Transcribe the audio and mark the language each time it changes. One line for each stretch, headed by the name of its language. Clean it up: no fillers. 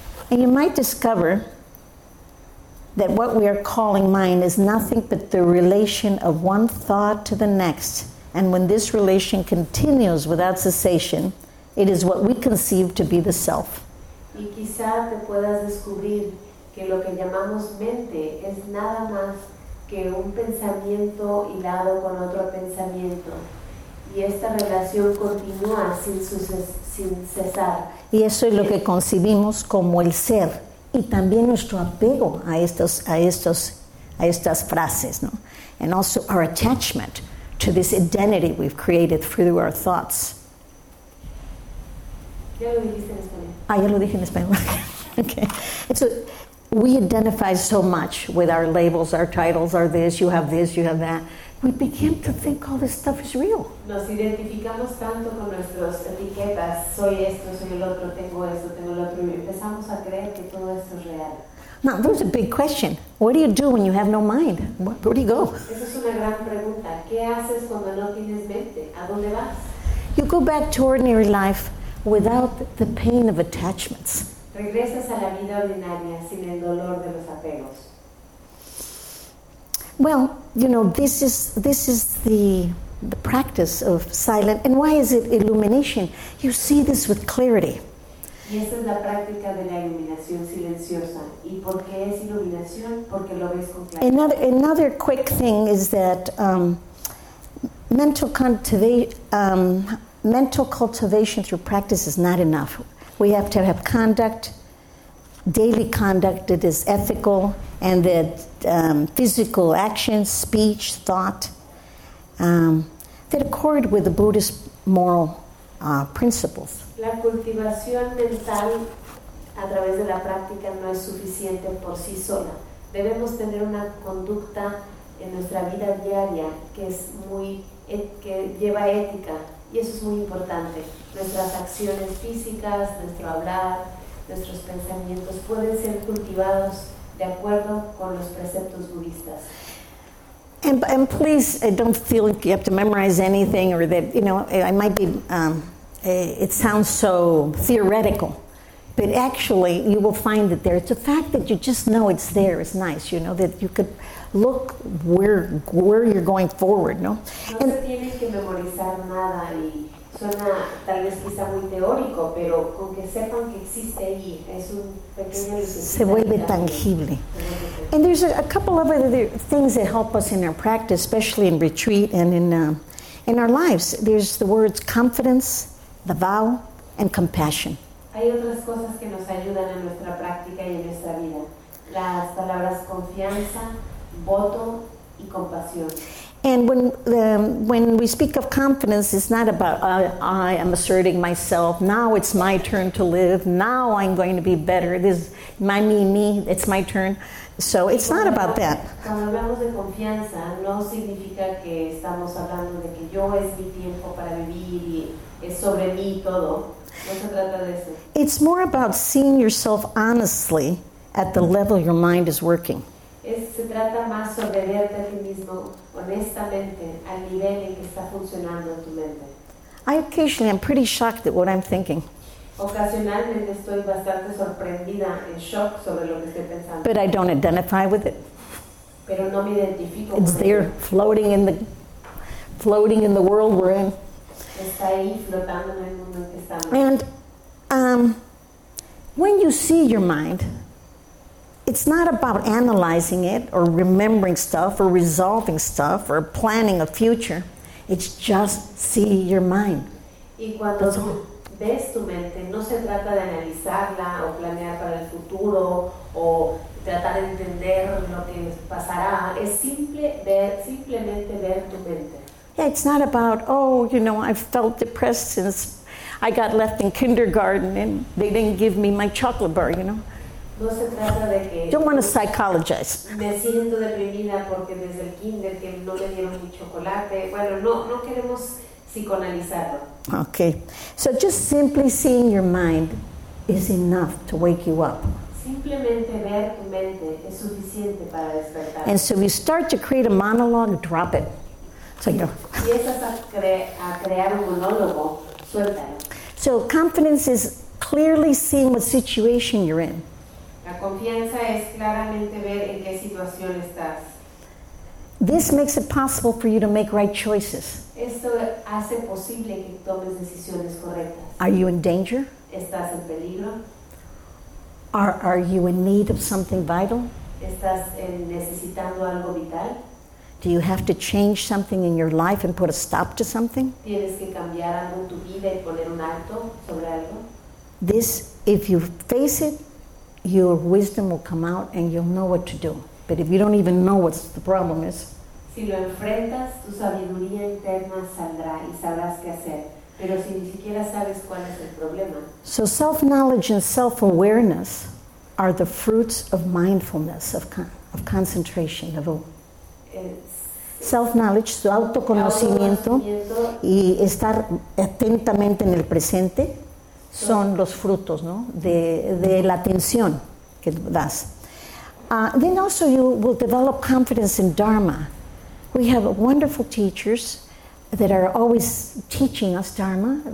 English: And you might discover that what we are calling mind is nothing but the relation of one thought to the next. And when this relation continues without cessation, it is what we conceive to be the self.
Spanish: Y quizá te puedas descubrir que lo que llamamos mente es nada más que un pensamiento hilado con otro pensamiento. Y esta relación continúa sin cesar. Y eso es lo que concebimos como el ser. Y también nuestro apego a estas frases, ¿no?
English: And also our attachment to this identity we've created through our thoughts.
Spanish: Ya lo dije en español. Ya lo dije en español. Okay.
English: So we identify so much with our labels, our titles, our this, you have that. We begin to think all this stuff is real.
Spanish: Nos identificamos tanto con nuestras etiquetas, soy esto, soy el otro, tengo esto, tengo el otro, y empezamos a creer que todo esto es real.
English: Now, there's a big question. What do you do when you have no mind? Where do you go?
Spanish: Esa es una gran pregunta. ¿Qué haces cuando no tienes mente? ¿A dónde vas?
English: You go back to ordinary life without the pain of attachments.
Spanish: Regresas a la vida ordinaria sin el dolor de los apegos.
English: Well, you know, this is the practice of silent. And why is it illumination? You see this with clarity.
Spanish: Y esa es la práctica de la iluminación silenciosa. ¿Y por qué es iluminación? Porque lo ves con claridad.
English: Another quick thing is that mental cultivation through practice is not enough. We have to have conduct. Daily conduct that is ethical, and that physical actions, speech, thought, that accord with the Buddhist moral principles.
Spanish: La cultivación mental a través de la práctica no es suficiente por sí sola. Debemos tener una conducta en nuestra vida diaria que lleva ética, y eso es muy importante. Nuestras acciones físicas, nuestro hablar. Nuestros pensamientos pueden ser cultivados de acuerdo con los preceptos budistas.
English: And please, don't feel like you have to memorize anything, or that, you know, I might be. It sounds so theoretical, but actually, you will find it there. It's the fact that you just know it's there. It's nice, you know, that you could look where you're going forward, no?
Spanish: No se tiene que memorizar nada y. Suena tal vez quizá muy teórico, pero con que sepan que existe ahí, es un pequeño... Se vuelve tangible.
English: And there's a couple of other things that help us in our practice, especially in retreat and in our lives. There's the words confidence, the vow, and compassion.
Spanish: Hay otras cosas que nos ayudan en nuestra práctica y en nuestra vida. Las palabras confianza, voto y compasión.
English: And when we speak of confidence, it's not about I am asserting myself. Now it's my turn to live. Now I'm going to be better. This is my me. It's my turn. So it's not about that.
Spanish: Cuando hablamos de confianza, no significa que estamos hablando de que yo es mi tiempo para vivir y es sobre mí todo. No se trata de eso.
English: It's more about seeing yourself honestly at the level your mind is working.
Spanish: Se trata más sobre verte a ti mismo honestamente al nivel en que está funcionando tu mente.
English: I'm pretty shocked at what I'm thinking.
Spanish: Ocasionalmente estoy bastante sorprendida, en shock sobre lo que estoy pensando.
English: But I don't identify with it.
Spanish: Pero no me identifico con
English: it. It's there, floating in the world we're in.
Spanish: Está ahí flotando en el mundo en que estamos.
English: And when you see your mind. It's not about analyzing it or remembering stuff or resolving stuff or planning a future. It's just see your mind.
Spanish: Y cuando ves tu mente, no se trata de analizarla o planear para el futuro o tratar de entender lo que pasará. Es simplemente ver tu mente.
English: Yeah, it's not about, you know, I felt depressed since I got left in kindergarten and they didn't give me my chocolate bar, you know.
Spanish: No se trata de que
English: don't want to psychologize.
Spanish: Me siento deprimida porque desde el kinder que no me dieron mi chocolate. Bueno, no queremos psicoanalizarlo.
English: Okay. So just simply seeing your mind is enough to wake you up.
Spanish: Simplemente ver tu mente es suficiente para despertar.
English: And so you start to create a monologue, drop it. So you know.
Spanish: Y empiezas a crear un monólogo, suéltalo.
English: So confidence is clearly seeing what situation you're in.
Spanish: La confianza es claramente ver en qué situación estás.
English: This makes it possible for you to make right choices.
Spanish: Esto hace posible que tomes decisiones correctas.
English: Are you in danger?
Spanish: ¿Estás en peligro?
English: Are you in need of something vital?
Spanish: ¿Estás necesitando algo vital?
English: Do you have to change something in your life and put a stop to something?
Spanish: ¿Tienes que cambiar algo en tu vida y poner un alto sobre algo?
English: This, if you face it, your wisdom will come out and you'll know what to do. But if you don't even know what the problem is.
Spanish: Si lo enfrentas, tu sabiduría interna saldrá y sabrás qué hacer. Pero si ni siquiera sabes cuál es el problema.
English: So self-knowledge and self-awareness are the fruits of mindfulness, of concentration, of all.
Spanish: Self-knowledge, su autoconocimiento y estar atentamente en el presente son los frutos, ¿no? De la atención que das.
English: Then also you will develop confidence in Dharma. We have wonderful teachers that are always teaching us Dharma.